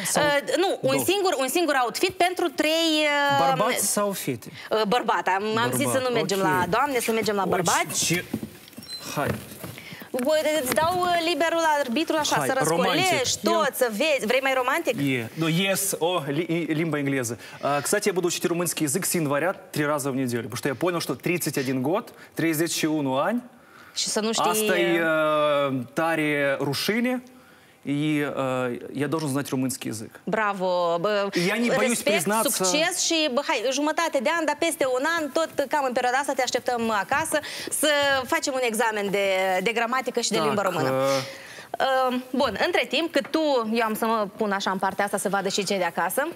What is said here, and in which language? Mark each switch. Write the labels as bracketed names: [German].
[Romanian] Sau nu, un singur outfit pentru trei bărbați sau fete? Bărbat. Am zis să nu mergem la doamne, să mergem la bărbați. Ce? Hai. Îți dau liberul arbitru așa, hai, să răscolești tot, să vezi. Vrei mai romantic? [English] Yeah. No, yes, limba engleză. [Russian] Кстати, я буду учить румынский язык с января 3 раза в неделю, потому что я понял, что 31 год, 31 ань. [Romanian] Și să nu știi... Asta e tare rușine. [Russian] И я должен знать румынский язык. Браво. Я не боюсь [Romanian] Respect, [Russian] признаться. [Romanian] Succes și, hai, jumătate de an, dar peste un an, tot cam în perioada asta te așteptăm acasă să facem un examen de gramatică și de limba română. Bun, între timp, cât tu, eu am să mă pun așa în partea asta să vadă și cei de acasă.